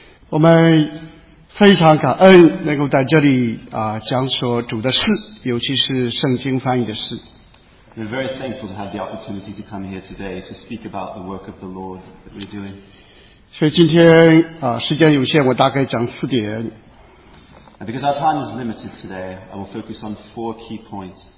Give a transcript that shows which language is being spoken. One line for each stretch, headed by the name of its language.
Chinese: 我们非常感恩能够在这里讲所主的事，尤其是圣经翻译的事。
English: We're very thankful to have the opportunity to come here today to speak about the work of the Lord that we're doing.
Chinese: 所以今天时间有限，我大概讲四点。
English: And because our time is limited today, I will focus on four key points.